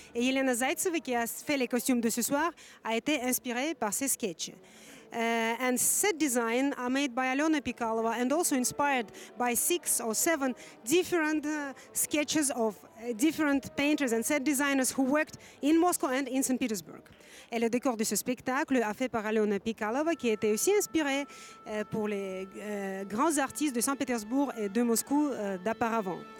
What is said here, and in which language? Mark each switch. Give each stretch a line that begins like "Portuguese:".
French: Et Elena Zaitseva, qui a fait les costumes de ce soir, a été inspirée par ces sketches.
English: And set design are made by Alena Pikalova and also inspired by 6 or 7 different sketches of different painters and set designers who worked in Moscow and in St. Petersburg.
French: Et le décor de ce spectacle a fait par Alena Pikalova, qui était aussi inspirée pour les grands artistes de Saint-Pétersbourg et de Moscou d'apparavant.